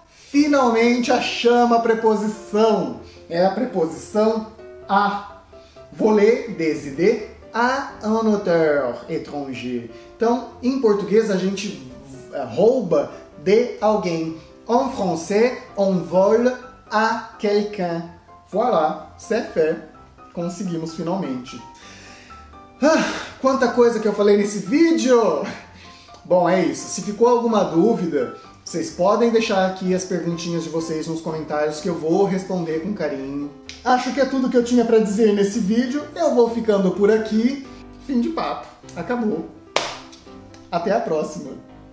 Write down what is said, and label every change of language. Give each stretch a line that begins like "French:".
Portuguese: Finalmente achamos a preposição. É a preposição a.
French: Voler des idées à un auteur étranger.
Portuguese: Então, em português, a gente rouba de alguém.
French: En français, on vole à quelqu'un. Voilà, c'est fait.
Portuguese: Conseguimos finalmente. Quanta coisa que eu falei nesse vídeo! Bom, é isso. Se ficou alguma dúvida, vocês podem deixar aqui as perguntinhas de vocês nos comentários que eu vou responder com carinho. Acho que é tudo que eu tinha para dizer nesse vídeo. Eu vou ficando por aqui. Fim de papo. Acabou. Até a próxima.